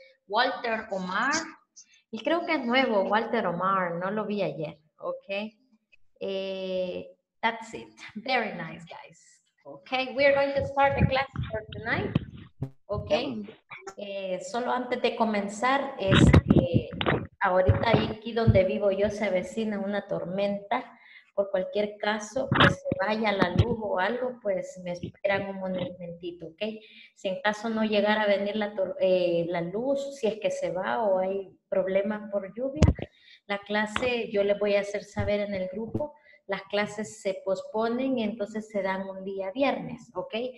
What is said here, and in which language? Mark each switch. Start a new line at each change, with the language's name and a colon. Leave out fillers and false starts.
Spanish: Walter Omar, y creo que es nuevo, Walter Omar, no lo vi ayer, okay.
English: That's it, very nice guys. Okay, we're going to start the class for tonight, okay.
Spanish: Solo antes de comenzar, ahorita aquí donde vivo yo se avecina una tormenta, por cualquier caso, pues se vaya la luz o algo, pues me esperan un momentito, ¿ok? Si en caso no llegara a venir la luz, si es que se va o hay problemas por lluvia, la clase, yo les voy a hacer saber en el grupo, las clases se posponen y entonces se dan un día viernes, ¿ok?